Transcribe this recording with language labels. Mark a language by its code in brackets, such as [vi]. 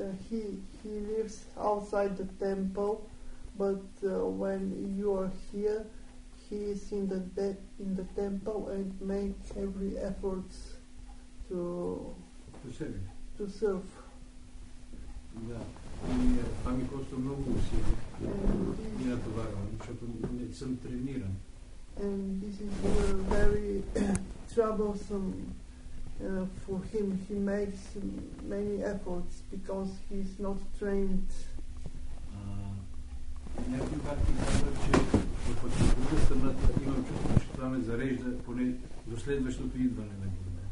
[en] He lives outside the temple, but when you are here, he is in the temple and make every effort to serve. [bg] Да. И това ми коства много усилия. И натоварвам, защото не съм трениран. [en] And this is very troublesome for him. He makes many efforts because he is not trained. [bg] Някои бати казват, че от друга страна имам чувство, че това ме зарежда поне до следващото идване на Гурудев.